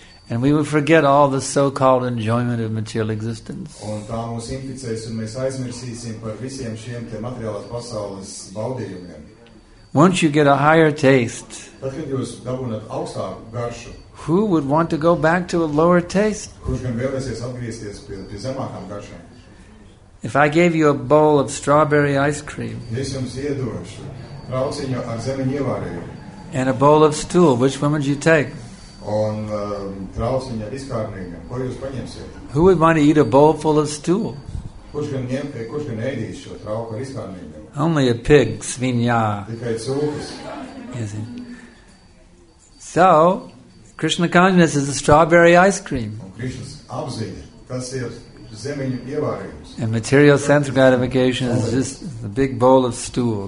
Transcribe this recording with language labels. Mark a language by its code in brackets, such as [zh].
[en] And we will forget all the so-called enjoyment of material existence. [lv] Un tā mūs inficēs, un mēs aizmirsīsim par visiem šiem te materiālās pasaules baudījumiem. [en] Once you get a higher taste, [lv] tad, kad jūs dabūnat augstāku garšu, [en] who would want to go back to a lower taste? [lv] Kurš gan vēlēsies atgriezties pie zemākām garšām? [en] If I gave you a bowl of strawberry ice cream, [lv] es jums iedošu trauciņu ar zemeņu ievārēju, [en] and a bowl of stool, which one would you take? [lv] Un trauciņa izkārnīga. Ko jūs paņemsiet? [en] Who would want to eat a bowl full of stool? [lv] Kurš gan ēdīs šo trauku ar izkārnīgu? [en] Only a pig, svinjā. [lv] Tikai cūkas. [en] Yes. So, Krishna consciousness is a strawberry ice cream. [lv] Un Krishnas apziņa, tas ir zemiņu ievārījums. [en] And material sense gratification is just a big bowl of stool.